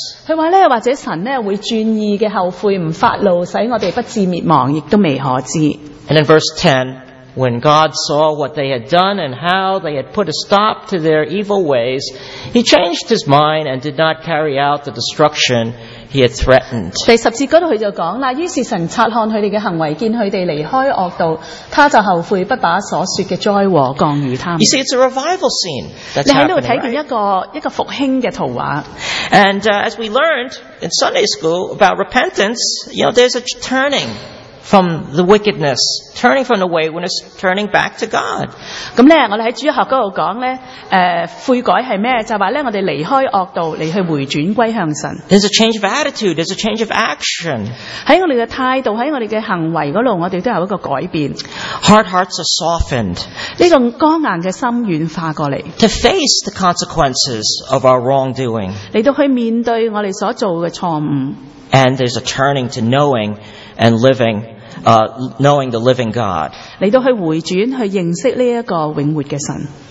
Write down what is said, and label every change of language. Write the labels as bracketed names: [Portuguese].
[Cantonese] 佢話咧，或者神咧會轉意嘅後悔，唔發怒，使我哋不致滅亡，亦都未可知。 [English] And in verse 10, when God saw what they had done and how they had put a stop to their evil ways, He changed His mind and did not carry out the destruction He had threatened. [Cantonese] 第十節嗰度佢就講啦，於是神察看佢哋嘅行為，見佢哋離開惡道，他就後悔，不把所說嘅災禍降與他們。 [English] You see, it's a revival scene. [Cantonese] 你喺度睇見一個復興嘅圖畫。 [English] And as we learned in Sunday school about repentance, you know, there's a turning from the wickedness, turning from the waywardness, turning back to God. [Cantonese] 咁咧，我哋喺主學嗰度講咧，悔改係咩？就話咧，我哋離開惡道，嚟去回轉歸向神。 [English] There's a change of attitude. There's a change of action. [Cantonese] 喺我哋嘅態度，喺我哋嘅行為嗰度，我哋都有一個改變。 [English] Hard hearts are softened. [Cantonese] 呢個剛硬嘅心軟化過嚟。 [English] To face the consequences of our wrongdoing. [Cantonese] 嚟到去面對我哋所做嘅錯誤。 [English] And there's a turning to knowing and living, knowing the living God. [Cantonese] 嚟到去回轉，去認識呢一個永活嘅神。